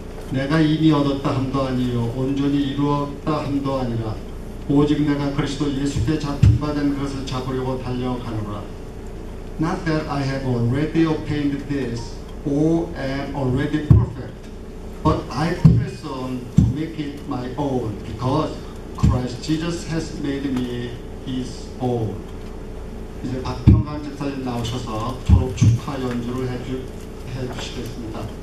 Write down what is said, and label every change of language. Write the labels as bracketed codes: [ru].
[ko] 내가 이미 얻었다 함도 아니요 온전히 이루었다 함도 아니라 오직 내가 그리스도 예수께 잡힌 바 된 것을 잡으려고 달려가노라. [en] Not that I have already obtained this or am already perfect, but I press on to make it my own because Christ Jesus has made me his own. [ko] 이제 박평강 집사님 나오셔서 졸업 축하 연주를 해주시겠습니다.